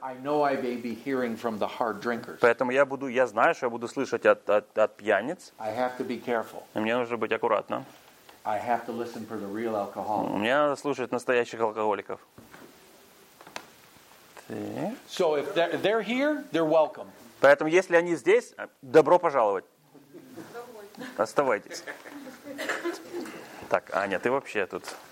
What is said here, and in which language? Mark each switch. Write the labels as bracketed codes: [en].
[en] I know I may be hearing from the hard drinkers. [ru] Поэтому я знаю, что я буду слышать от пьяниц. [en] I have to be careful. [ru] И мне нужно быть аккуратным. [en] I have to listen for the real alcoholics. [ru] Мне надо слушать настоящих алкоголиков. [en] So if they're here, they're welcome. [ru] Поэтому если они здесь, добро пожаловать. Оставайтесь. Так, Аня, ты вообще тут?